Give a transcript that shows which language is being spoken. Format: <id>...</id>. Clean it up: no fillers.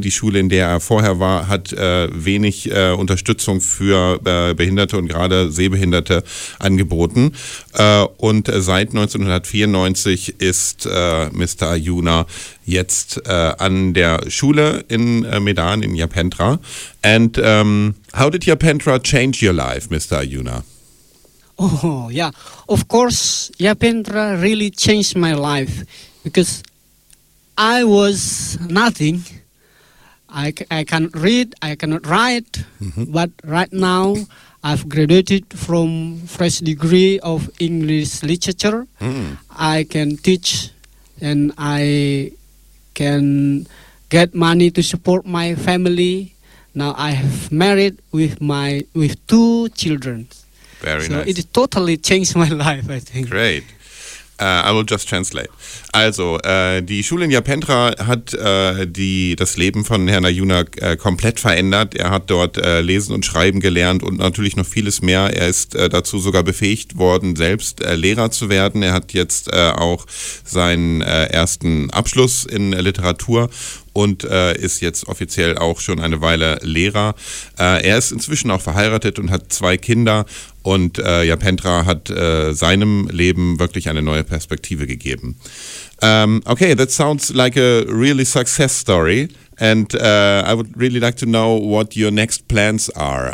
<de>Die Schule, in der er vorher war, hat wenig Unterstützung für Behinderte und gerade Sehbehinderte angeboten. Und seit 1994 ist Mr. Ayuna jetzt an der Schule in Medan, in Japentra.</de> <en>And how did Japentra change your life, Mr. Ayuna? Oh, yeah. Of course, Japentra really changed my life because I was nothing. I can't read, I cannot write. Mm-hmm. But right now, I've graduated from fresh degree of English literature. Mm. I can teach and I can get money to support my family. Now I have married with two children. Very so nice. So it totally changed my life, I think. Great. I will just translate.</en> <de>Also, die Schule in Japentra hat das Leben von Herrn Ayuna komplett verändert. Er hat dort Lesen und Schreiben gelernt und natürlich noch vieles mehr. Er ist dazu sogar befähigt worden, selbst Lehrer zu werden. Er hat jetzt auch seinen ersten Abschluss in Literatur und ist jetzt offiziell auch schon eine Weile Lehrer. Er ist inzwischen auch verheiratet und hat zwei Kinder. Und Japentra hat seinem Leben wirklich eine neue Perspektive gegeben.</de> <en>Okay, that sounds like a really success story. And I would really like to know what your next plans are.</en>